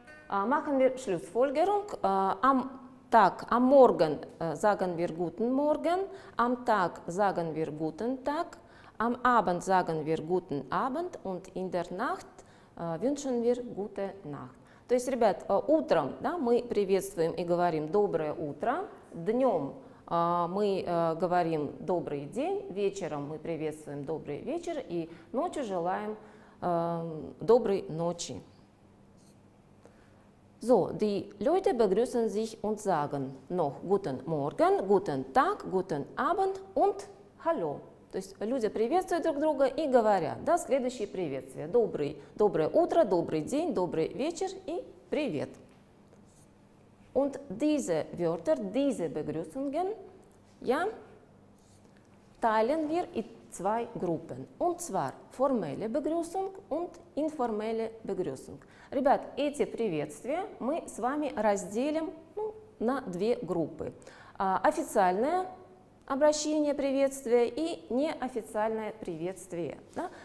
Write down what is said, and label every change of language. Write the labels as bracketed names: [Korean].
[German] Machen wir Schlussfolgerung. Am Morgen sagen wir guten Morgen, am Tag sagen wir guten Tag, am Abend sagen wir guten Abend und in der Nacht wünschen wir gute Nacht. [Russian] То есть, ребят, утром, да, мы приветствуем и говорим «доброе утро», днем мы говорим «добрый день», вечером мы приветствуем «добрый вечер» и ночью желаем «доброй ночи». [German] So, die Leute begrüßen sich und sagen noch guten Morgen, guten Tag, guten Abend und hallo. [Russian] То есть люди приветствуют друг друга и говорят, да, следующие приветствия. Доброе утро, добрый день, добрый вечер и привет. [German] Und diese Wörter, diese Begrüßungen, ja, teilen wir in zwei Gruppen. Und zwar formelle Begrüßung und informelle Begrüßung. [Russian] Ребят, эти приветствия мы с вами разделим, ну, на две группы. Официальное обращение приветствия и неофициальное приветствие. Да?